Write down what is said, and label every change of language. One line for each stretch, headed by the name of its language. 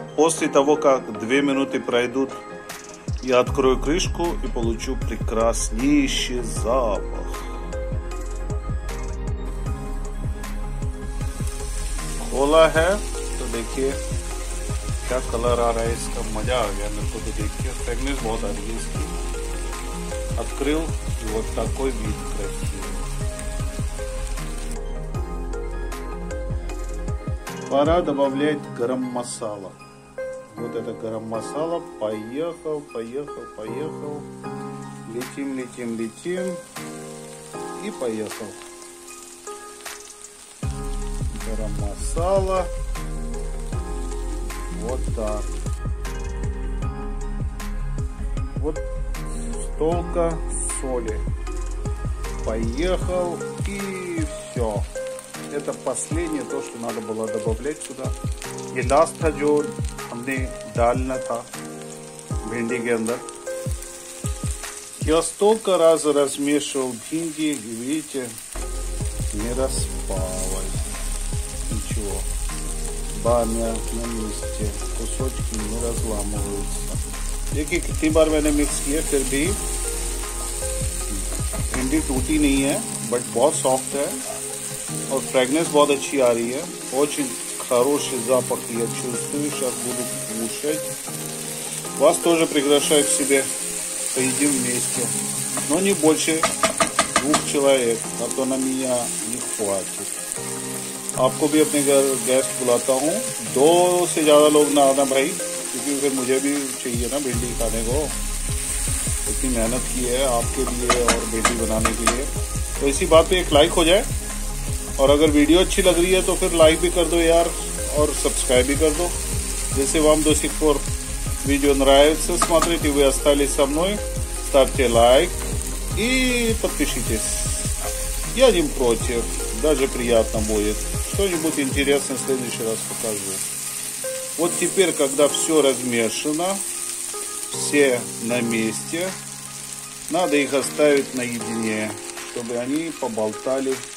Russian: После того как 2 минуты пройдут, я открою крышку и получу прекраснейший запах.
Hindi: खोला है तो देखिए क्या कलर आ रहा है इसका, मजा आ गया मेरे को तो देख के. फ्रेग्रेंस बहुत आ रही है इसकी.
Russian: открыл вот такой вид красивый. Пора добавлять гарам масала. Вот это гарам масала. Поехал. Летим. И поехал. Гарам масала. Вот так. Вот столько соли. Поехал. И все. Это последнее то, что надо было добавлять сюда.
Hindi: И last था जो हमने डालना था भिंडी के अंदर.
Russian: Я столько раз размешивал भिंडी, и видите, не распалось. Ничего. Бамя на месте. Кусочки не разламываются. Видите,
Hindi: कितनी बार मैंने मिक्स किया फिर भी भिंडी टूटी नहीं है, but बहुत soft है.
Russian: Вот фрагмент вот очень ария, очень хороший запах я чувствую, сейчас буду кушать. Вас тоже приглашаю к себе, поедим вместе, но не больше двух человек, а то на меня не хватит.
Hindi: Апко бы апне гест булатаю хун, до се ज्यादा लोग ना आना भाई, क्योंकि फिर मुझे भी चाहिए ना भिंडी खाने को. इतनी मेहनत की है आपके लिए और भिंडी बनाने के लिए. तो इसी बात पे एक लाइक हो जाए. और अगर वीडियो अच्छी लग रही है तो फिर लाइक भी कर दो यार और सब्सक्राइब भी कर दो. जैसे
Russian: вам до сих пор видео нравится, смотрите, вы остались со мной, ставьте лайк и подпишитесь. Я не против, даже приятно будет. Что-нибудь интересное в следующий раз покажу. Вот теперь, когда все размешано, все на месте, надо их оставить наедине, чтобы они поболтали.